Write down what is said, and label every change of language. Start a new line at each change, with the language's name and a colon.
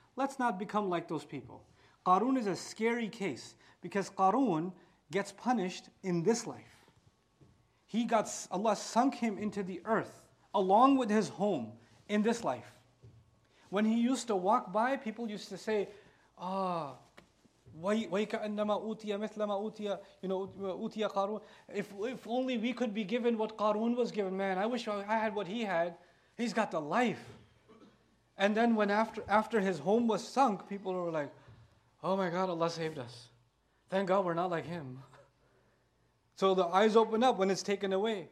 English: Let's not become like those people. Qarun is a scary case because Qarun gets punished in this life. Allah sunk him into the earth along with his home in this life. When he used to walk by, people used to say, "Ah."
Arabic: وَيْكَأَنَّمَا أُوتِيَ مِثْلَ مَا أُوتِيَ,
English: you know,
Arabic: أُوتِيَ قَارُونَ.
English: If only we could be given what Qarun was given. Man, I wish I had what he had. He's got the life. And then when after his home was sunk, people were like, oh my God, Allah saved us. Thank God we're not like him. So the eyes open up when it's taken away.